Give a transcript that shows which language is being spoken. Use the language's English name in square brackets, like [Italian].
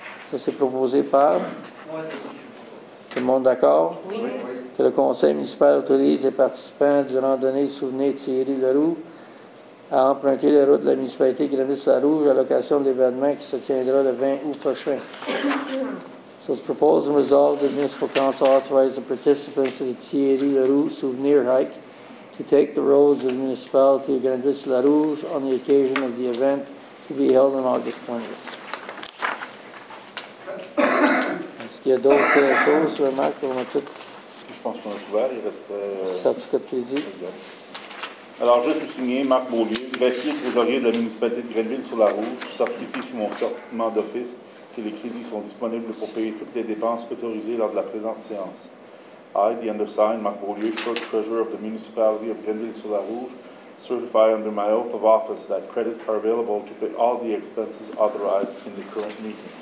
[French] Ça, c'est proposé par. Tout le monde d'accord? Oui. Que le conseil municipal autorise les participants du randonnée du souvenir Thierry Leroux à emprunter les routes de la municipalité Granit-la-Rouge à l'occasion de l'événement qui se tiendra le 20 août prochain. [English] So, the proposed and resolved the municipal council authorize the participants of the Thierry Leroux souvenir hike to take the roads of the municipality of Granit-la-Rouge on the occasion of the event to be held on August 20th. [French] Est-ce qu'il y a d'autres choses sur le marque pour Je pense qu'on a couvert, il reste. Certificat de crédit. Alors, juste souligner, Marc Beaulieu, greffier trésorier de la municipalité de Grenville-sur-la-Rouge, certifie sous mon certificat d'office que les crédits sont disponibles pour payer toutes les dépenses autorisées lors de la présente séance. [English] I, the undersigned, Marc Beaulieu, clerk treasurer of the municipality of Grenville-sur-la-Rouge, certify under my oath of office that credits are available to pay all the expenses authorized in the current meeting.